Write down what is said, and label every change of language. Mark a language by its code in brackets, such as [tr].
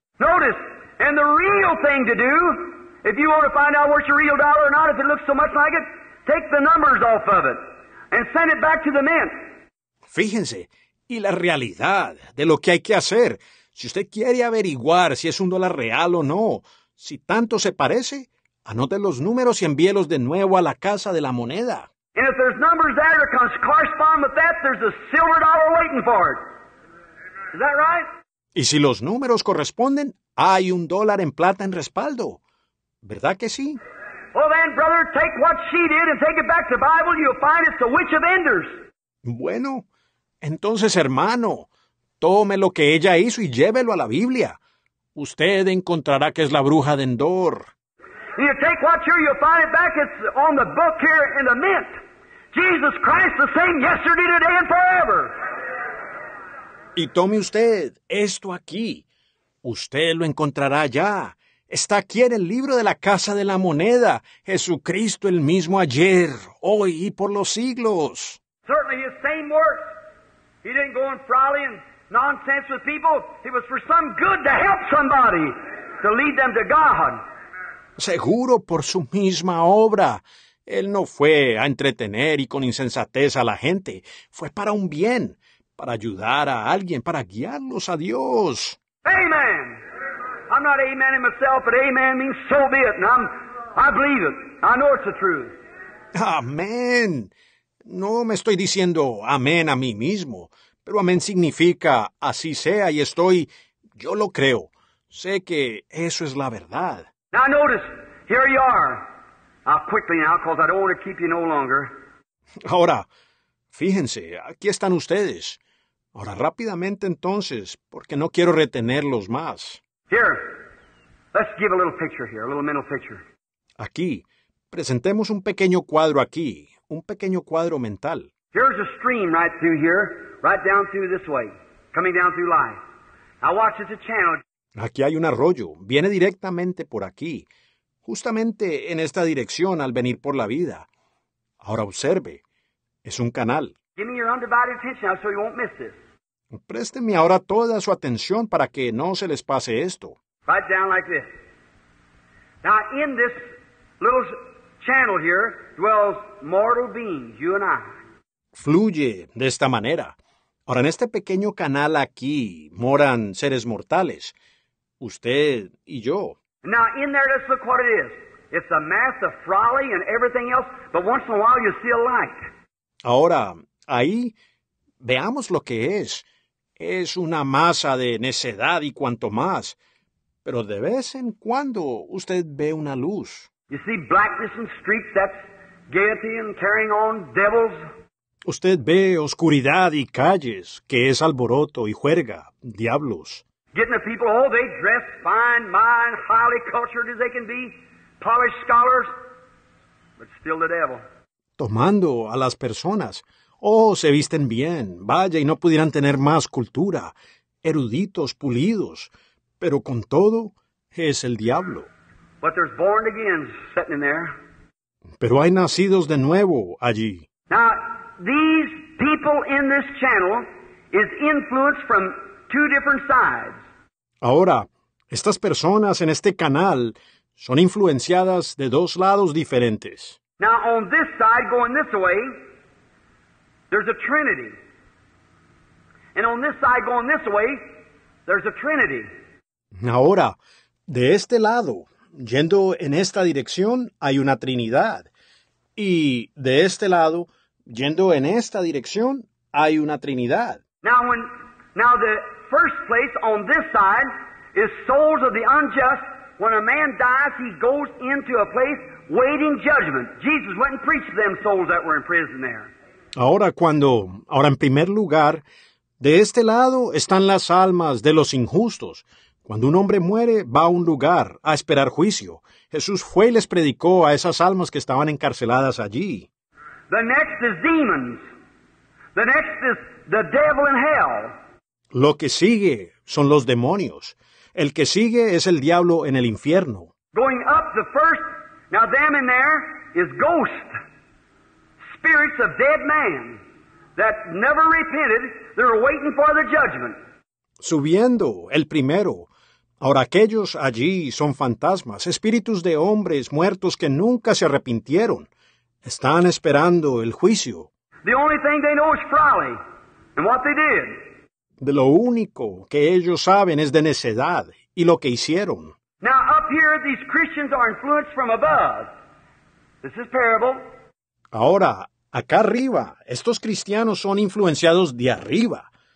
[en] Notice, and the real thing to do, if you want to find out what's your real dollar or not, if it looks so much like it, take the numbers off of it and send it back to the mint. [es] Fíjense, y la realidad de lo que hay que hacer. Si usted quiere averiguar si es un dólar real o no, si tanto se parece, anote los números y envíelos de nuevo a la casa de la moneda. [en] And if there's numbers there that correspond with that, there's a silver dollar waiting for it. Is that right? [es] Y si los números corresponden, hay un dólar en plata en respaldo. ¿Verdad que sí? [en] Well then, brother, take what she did and take it back to the Bible. You'll find it's the witch of Enders. [es] Bueno, entonces, hermano, tome lo que ella hizo y llévelo a la Biblia. Usted encontrará que es la bruja de Endor. [en] You take what you're, you'll find it back. It's on the book here in the mint. Jesus Christ, the same yesterday, today, and forever. [es] Y tome usted esto aquí. Usted lo encontrará allá. Está aquí en el libro de la Casa de la Moneda. Jesucristo el mismo ayer, hoy y por los siglos. [en] Certainly his same work. He didn't go on frolicking and nonsense with people. It was for some good to help somebody, to lead them to God. [es] Seguro por su misma obra. Él no fue a entretener y con insensatez a la gente. Fue para un bien, para ayudar a alguien, para guiarlos a Dios. [en] Amen. I'm not amen in myself, but amen means so be it, and I believe it. I know it's the truth. [es] Amén. No me estoy diciendo amén a mí mismo, pero amén significa así sea y estoy, yo lo creo. Sé que eso es la verdad. [en] Now notice, here you are. I'll quickly now, because I don't want to keep you no longer. [es] Ahora, fíjense, aquí están ustedes. Ahora, rápidamente entonces, porque no quiero retenerlos más. [en] Here, let's give a little picture here, a little mental picture. [es] Aquí, presentemos un pequeño cuadro aquí, un pequeño cuadro mental. [en] Here's a stream right through here, right down through this way, coming down through life. Now watch, it's a channel. [es] Aquí hay un arroyo, viene directamente por aquí, justamente en esta dirección al venir por la vida. Ahora observe, es un canal. [en] Give me your undivided attention now so you won't miss this. [es] Présteme ahora toda su atención para que no se les pase esto. [en] Right down like this. Now, in this little channel here dwells mortal beings, you and I. [es] Fluye de esta manera. Ahora, en este pequeño canal aquí moran seres mortales, usted y yo. [en] Now, in there, let's look what it is. It's a mass of frolly and everything else, but once in a while you see a light. [es] Ahora, ahí, veamos lo que es. Es una masa de necedad y cuanto más. Pero de vez en cuando usted ve una luz. [en] You see blackness and streaks, that's gaiety and carrying on devils. [es] Usted ve oscuridad y calles, que es alboroto y juerga, diablos. [en] Getting the people, oh, they dress fine, mind, highly cultured as they can be, polished scholars, but still the devil. [es] Tomando a las personas, oh, se visten bien, vaya, y no pudieran tener más cultura, eruditos, pulidos, pero con todo, es el diablo. [en] But there's born again sitting in there. [es] Pero hay nacidos de nuevo allí. [en] Now, these people in this channel is influenced from two different sides. [es] Ahora, estas personas en este canal son influenciadas de dos lados diferentes. [en] Now, on this side, going this way, there's a Trinity. And on this side, going this way, there's a Trinity. [es] Ahora, de este lado, yendo en esta dirección, hay una Trinidad. Y de este lado, yendo en esta dirección, hay una Trinidad. [en] Now the first place on this side is souls of the unjust. When a man dies, he goes into a place waiting judgment. Jesus went and preached to them souls that were in prison there. [es] Ahora en primer lugar, de este lado están las almas de los injustos. Cuando un hombre muere, va a un lugar a esperar juicio. Jesús fue y les predicó a esas almas que estaban encarceladas allí. [en] The next is demons. The next is the devil in hell. [es] Lo que sigue son los demonios. El que sigue es el diablo en el infierno. [en] Going up the first, now them in there is ghosts. Spirits of dead men that never repented. They're waiting for the judgment. [es] Subiendo, el primero. Ahora, aquellos allí son fantasmas, espíritus de hombres muertos que nunca se arrepintieron. Están esperando el juicio. [en] The only thing they know is folly and what they did. [es] De lo único que ellos saben es de necedad y lo que hicieron. [en] Now, up here, these Christians are influenced from above. This is parable. [es] Ahora, acá arriba, estos cristianos son influenciados de arriba.